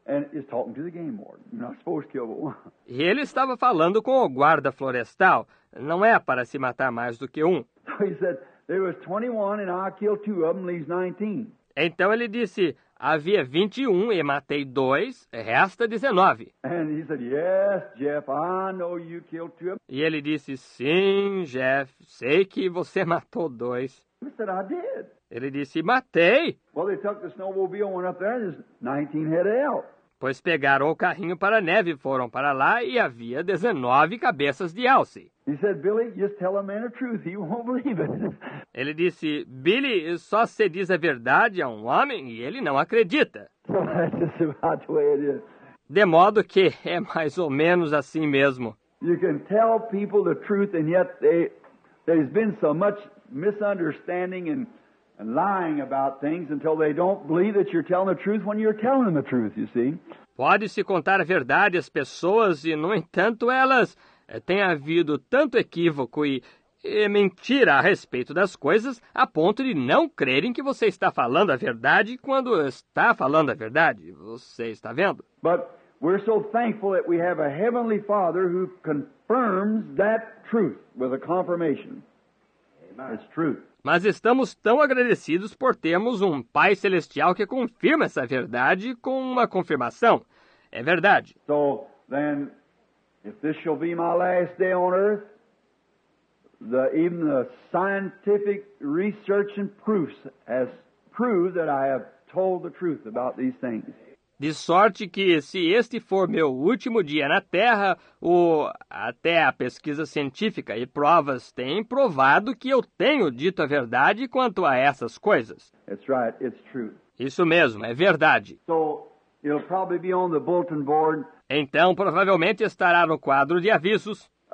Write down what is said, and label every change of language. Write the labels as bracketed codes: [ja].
[en] And he's talking to the game warden. You're not supposed to kill one. [pt] E ele estava falando com o guarda florestal. Não é para se matar mais do que um. [en] So he said, there was 21 and I killed two of them, leaves 19. [pt] Então ele disse, Havia 21 e matei 2, resta 19. [en] And he said, yes, Jeff, I know you killed two. [pt] E ele disse, sim, Jeff, sei que você matou 2. [en] He said, I did. [pt] Ele disse, matei. [en] Well, they took the snowmobile and went up there and there's 19 head out. [pt] Pois pegaram o carrinho para a neve, foram para lá e havia 19 cabeças de alce. [en] He said, Billy, just tell a man the truth, he won't believe it. [pt] Ele disse, Billy, só se diz a verdade a um homem e ele não acredita. [en] That's just about the way it is. [pt] De modo que é mais ou menos assim mesmo. [en] You can tell people the truth and yet there's been so much misunderstanding and lying about things until they don't believe that you're telling the truth when you're telling them the truth, you see? [pt] Pode-se contar a verdade às pessoas e, no entanto, elas têm havido tanto equívoco e mentira a respeito das coisas a ponto de não crerem que você está falando a verdade quando está falando a verdade. Você está vendo? [en] But we're so thankful that we have a Heavenly Father who confirms that truth with a confirmation. Amen. It's truth. [pt] Mas estamos tão agradecidos por termos um Pai Celestial que confirma essa verdade com uma confirmação. É verdade. [en] So, then, if this shall be my last day on earth, even the scientific research and proofs has proved that I have told the truth about these things. [pt] De sorte que, se este for meu último dia na Terra, até a pesquisa científica e provas têm provado que eu tenho dito a verdade quanto a essas coisas. [en] That's right, it's true. [pt] Isso mesmo, é verdade. [en] So, it'll probably be on the bulletin board. [pt] Então, provavelmente estará no quadro de avisos.